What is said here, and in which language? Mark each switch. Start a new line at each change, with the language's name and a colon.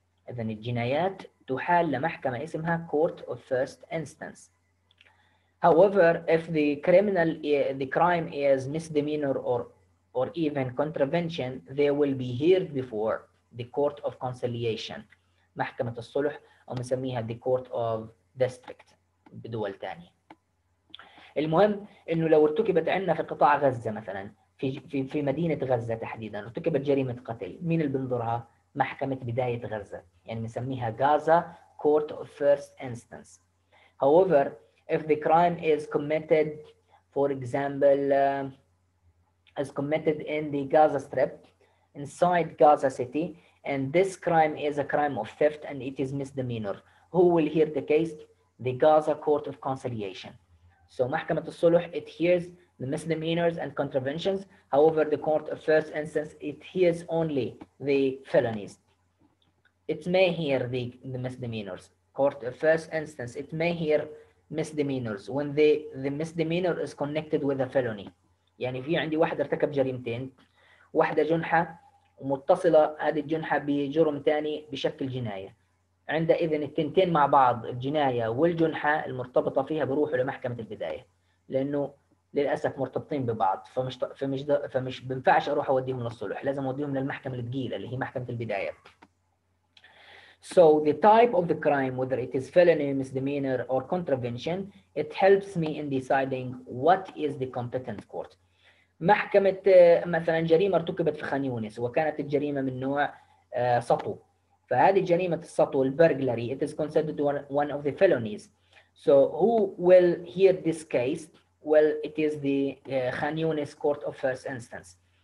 Arabic: إذن الجنايات تحال لمحكمة اسمها
English: court of first instance. However, if the criminal the crime is misdemeanor or even contravention, they will be heard before the court of conciliation,
Arabic: محكمة الصلح, أو نسميها
English: the court of district
Arabic: بدول تانية. المهم إنه لو ارتكبت عنا في قطاع غزة مثلا, في مدينة غزة تحديدا ارتكبت جريمة قتل, مين اللي بنظرها؟ محكمة بداية غزة, يعني نسميها
English: Gaza court of first instance. However, if the crime is committed, for example, is committed in the Gaza Strip, inside Gaza City, and this crime is a crime of theft and it is misdemeanor, who will hear the case? The Gaza Court of Conciliation. So
Arabic: محكمة الصلح,
English: it hears the misdemeanors and contraventions. However, the court of first instance, it hears only the felonies. It may hear the misdemeanors. Court of first instance, it may hear misdemeanors when the misdemeanor is connected with a felony.
Arabic: يعني في عندي واحد ارتكب جريمتين, واحدة جنحة ومتصلة هذه الجنحة بجرم تاني بشكل جناية. عندئذ التنتين مع بعض, الجناية والجنحة المرتبطة فيها, بروحوا لمحكمة البداية لأنه للأسف مرتبطين ببعض, فمش بنفعش أروح أوديهم للصلح, لازم أوديهم للمحكمة الثقيلة اللي هي محكمة البداية.
English: So the type of the crime, whether it is felony, misdemeanor, or contravention, it helps me in deciding what is the competent court.
Arabic: محكمة مثلا جريمة ارتكبت في خان يونس وكانت الجريمة من نوع سطو, فهذه جريمة السطو, البرجلري,
English: it is considered one of the felonies. So who will hear this case? Well, it is the Khan Younis court of first instance.